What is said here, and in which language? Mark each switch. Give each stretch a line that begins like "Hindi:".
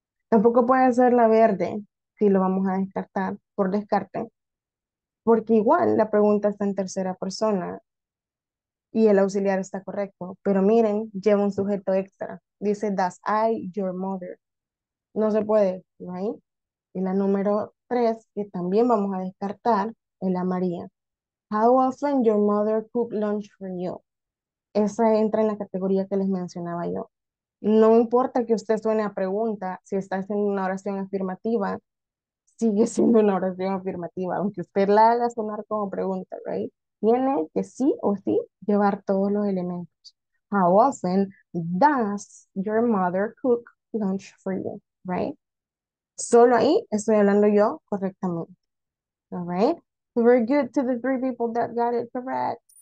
Spanish: Tampoco puede ser la verde si lo vamos a descartar por descarte, porque igual la pregunta está en tercera persona y el auxiliar está correcto. Pero miren, lleva un sujeto extra. Dice
English: does I your mother.
Spanish: No se puede, right? Y la número 3, que también vamos a descartar, es la María.
English: How often your mother cook lunch for you?
Spanish: Esa entra en la categoría que les mencionaba yo. No importa que usted suene a pregunta, si está haciendo una oración afirmativa, sigue siendo una oración afirmativa, aunque usted la haga sonar como pregunta, right? Tiene que sí o sí llevar todos los elementos.
English: How often does your mother cook lunch for you, right?
Spanish: Solo ahí estoy hablando yo correctamente. All right?
English: We're good to the three people that got it correct.